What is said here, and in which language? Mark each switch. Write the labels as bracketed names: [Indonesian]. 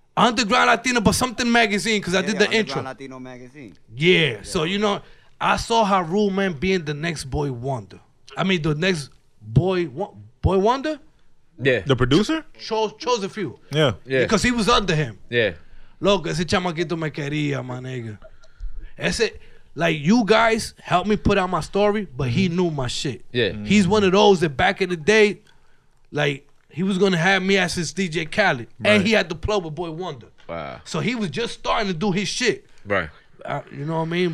[English] Underground Latino, but something magazine, because I did the Underground intro. Latino magazine. Yeah. Yeah. So, you know, I saw Haru, man, being the next Boy Wonder. I mean, the next Boy Wonder? Yeah. The producer? Chose a few. Yeah. Because he was under him. Yeah. Look, [Spanish] ese chamaquito me quería, [English] my nigga. [Spanish] Ese... [English] Like, you guys helped me put out my story, but he knew my shit. Yeah. He's one of those that back in the day, like, he was going to have me as his DJ Khaled. Right. And he had to plug with Boy Wonder. Wow. So he was just starting to do his shit. Right. You know what I mean?